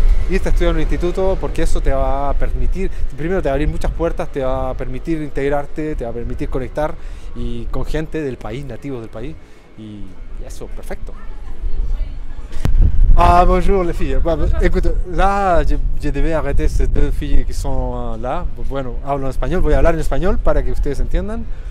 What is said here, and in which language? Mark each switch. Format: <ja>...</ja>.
<es>Y estás estudiando en un instituto porque eso te va a permitir, primero te va a abrir muchas puertas, te va a permitir integrarte, te va a permitir conectar y con gente del país, nativos del país, y eso, perfecto.</es> <fr>Ah, bonjour les filles. Bah, écoute, là, je devais arrêter ces deux filles qui sont là.</fr> <es>Bueno, hablo en español, voy a hablar en español para que ustedes entiendan.</es>